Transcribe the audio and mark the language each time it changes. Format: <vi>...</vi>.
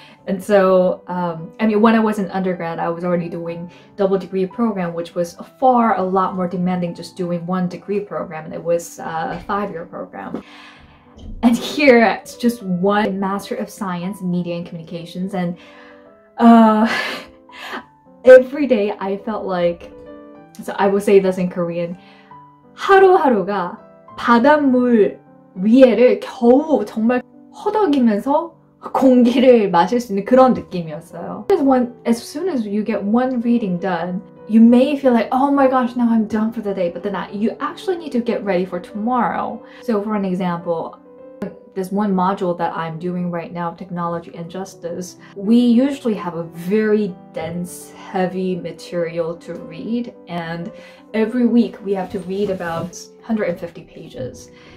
<en>And so, I mean, when I was an undergrad, I was already doing double degree program, which was far a lot more demanding just doing one degree program, and it was a five-year program. And here, it's just one Master of Science in Media and Communications, and every day I felt like... So I will say this in Korean.</en> <ko>하루하루가 바닷물 위에를 겨우 정말 허덕이면서 공기를 마실 수 있는 그런 느낌이었어요.</ko> <en>As soon as you get one reading done, you may feel like, oh my gosh, now I'm done for the day, but then you actually need to get ready for tomorrow. So for an example, this one module that I'm doing right now, Technology and Justice, we usually have a very dense, heavy material to read, and every week we have to read about 150 pages.</en>